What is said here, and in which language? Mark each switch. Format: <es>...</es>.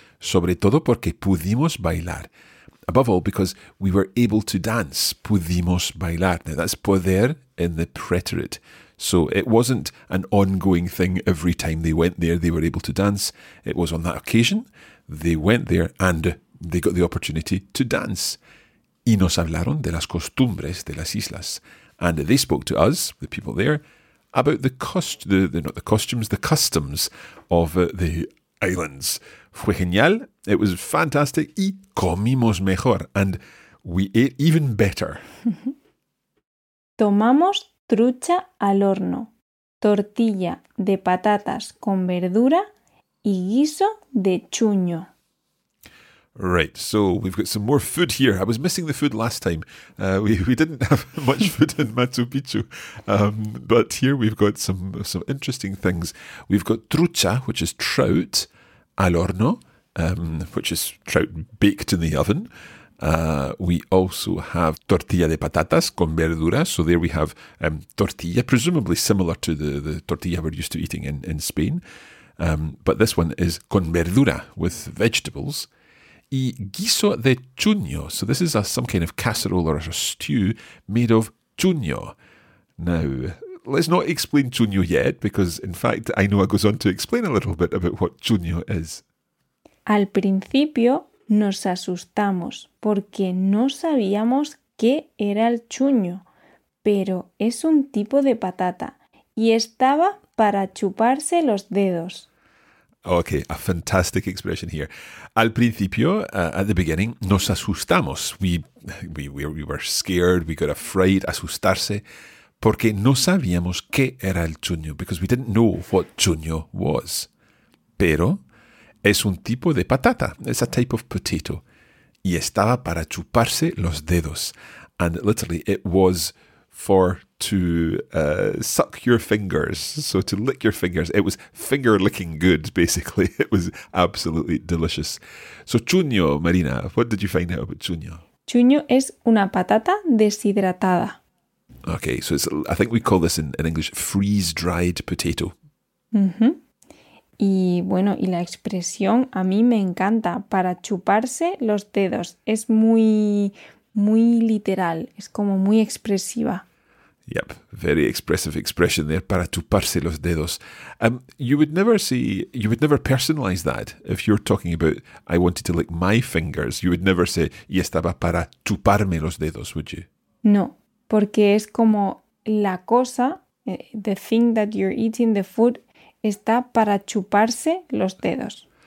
<es>Sobre todo porque pudimos bailar.</es> <en>Above all, because we were able to dance,</en> <es>pudimos bailar.</es> <en>Now, that's poder in the preterite. So it wasn't an ongoing thing every time they went there, they were able to dance. It was on that occasion, they went there and they got the opportunity to dance.</en> <es>Y nos hablaron de las costumbres de las islas.</es> <en>And they spoke to us, the people there, about the customs of the islands.</en> <es>Fue genial,</es> <en>it was fantastic,</en> <es>y comimos mejor,</es> <en>and we ate even better.</en> <es>Tomamos trucha al horno, tortilla de patatas con verdura y guiso de chuño.</es> <en>Right, so we've got some more food here. I was missing the food last time. We didn't have much food in Machu Picchu. But here we've got some interesting things. We've got trucha, which is trout,</en> <es>al horno,</es> <en>which is trout baked in the oven. We also have</en> <es>tortilla de patatas con verduras.</es> <en>So there we have tortilla, presumably similar to the tortilla we're used to eating in Spain. But this one is</en> <es>con verdura,</es> <en>with vegetables.</en> <es>Y guiso de chuño.</es> <en>So this is some kind of casserole or a stew made of chuño. Now, let's not explain chuño yet, because in fact Ainhoa goes on to explain a little bit about what chuño is.</en> <es>Al principio nos asustamos porque no sabíamos qué era el chuño, pero es un tipo de patata y estaba para chuparse los dedos.</es> <en>Okay, a fantastic expression here.</en> <es>Al principio,</es> <en>at the beginning,</en> <es>nos asustamos.</es> <en>We were scared, we got a fright, asustarse,</en> <es>porque no sabíamos qué era el chuño,</es> <en>because we didn't know what chuño was.</en> <es>Pero es un tipo de patata,</es> <en>it's a type of potato,</en> <es>y estaba para chuparse los dedos.</es> <en>And literally, it was for to suck your fingers, so to lick your fingers. It was finger licking good, basically. It was absolutely delicious. So chuño, Marina, what did you find out about chuño?</en> <es>Chuño es una patata deshidratada.</es> <en>Okay, so it's, I think we call this in English freeze-dried potato. Mm-hmm.</en> <es>Y bueno, y la expresión a mí me encanta, para chuparse los dedos. Es muy, muy literal, es como muy expresiva.</es> <en>Yep, very expressive expression there,</en> <es>para chuparse los dedos.</es> <en>You would never personalize that. If you're talking about, I wanted to lick my fingers, you would never say,</en> <es>y estaba para chuparme los dedos,</es> <en>would you?</en> <es>No, porque es como la cosa,</es> <en>the thing that you're eating, the food,</en> <es>está para chuparse los dedos.</es>